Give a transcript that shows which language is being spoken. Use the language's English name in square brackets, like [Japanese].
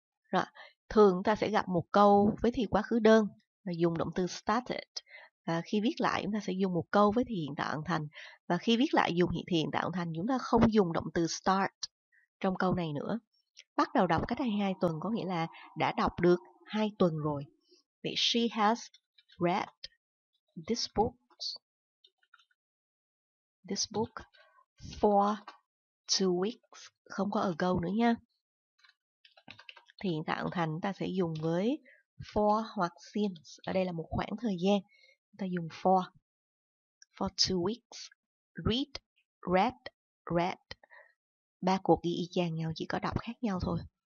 [Vietnamese] Rồi, thường ta sẽ gặp một câu với thì quá khứ đơn dùng động từ started. Và khi viết lại chúng ta sẽ dùng một câu với thì hiện tại hoàn thành. Và khi viết lại dùng hiện thì hiện tại hoàn thành, chúng ta không dùng động từ start trong câu này nữa. Bắt đầu đọc cách đây 2 tuần có nghĩa là đã đọc được 2 tuần rồi. Vậy [English] she has read this book for 2 weeks. [Vietnamese] Không có ago nữa nha. Thì hiện tại hoàn thành ta sẽ dùng với for hoặc since. Ở đây là một khoảng thời gian. Ta dùng for 2 weeks. Read. 3 cuộc ghi y chang nhau, chỉ có đọc khác nhau thôi.